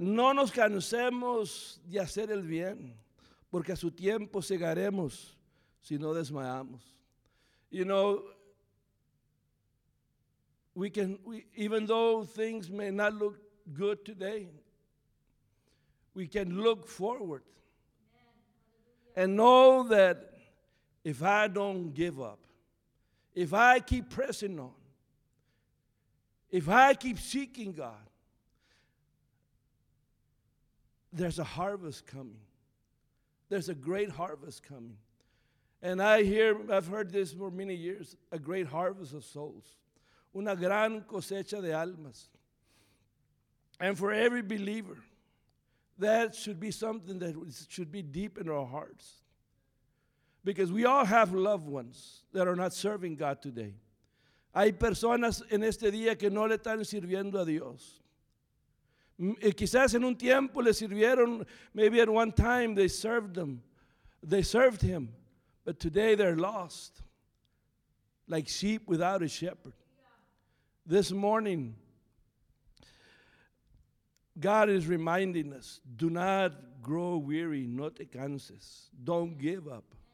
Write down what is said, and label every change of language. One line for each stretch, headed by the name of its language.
Spanish: No nos cansemos de hacer el bien, porque a su tiempo segaremos si no desmayamos.
English: You know, even though things may not look good today, we can look forward and know that if I don't give up, if I keep pressing on, if I keep seeking God, there's a harvest coming. There's a great harvest coming. And I've heard this for many years, a great harvest of souls.
Spanish: Una gran cosecha de almas.
English: And for every believer, that should be something that should be deep in our hearts. Because we all have loved ones that are not serving God today.
Spanish: Hay personas en este día que no le están sirviendo a Dios. Quizás en un tiempo le sirvieron,
English: maybe at one time they served them, they served him, but today they're lost, like sheep without a shepherd. This morning, God is reminding us, do not grow weary,
Spanish: no te canses,
English: don't give up.